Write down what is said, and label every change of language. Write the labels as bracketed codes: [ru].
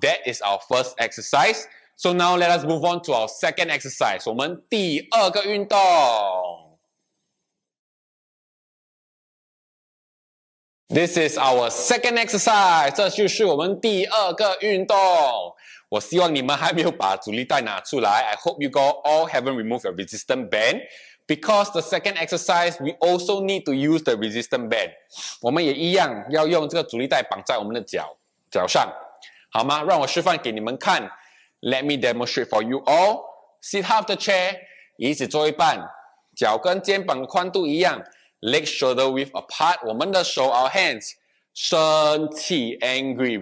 [en] That is our first exercise. So now let us move on to our second exercise. [zh] 我们第二个运动。 [en] This is our second exercise. [zh] 这就是我们第二个运动。我希望你们还没有把阻力带拿出来。 [en] I hope you all haven't removed your resistance band. Because the second exercise, we also need to use the resistance band. [zh] 我们也一样要用这个阻力带绑在我们的脚上。好吗？让我示范给你们看。 [en] Let me demonstrate for you all. Sit half the chair, [zh] 椅子坐一半。脚跟肩膀的宽度一样。 [en] Leg shoulder width apart. [zh] 我们的手 [en] our hands. 生气 angry.